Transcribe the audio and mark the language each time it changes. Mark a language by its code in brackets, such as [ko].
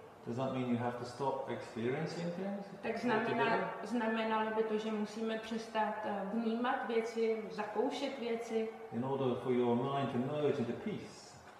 [en] Does that mean you have to stop experiencing things? [cs] Tak znamenalo by to, že musíme přestat vnímat věci, zakoušet věci. [en] In order for your mind to merge into peace.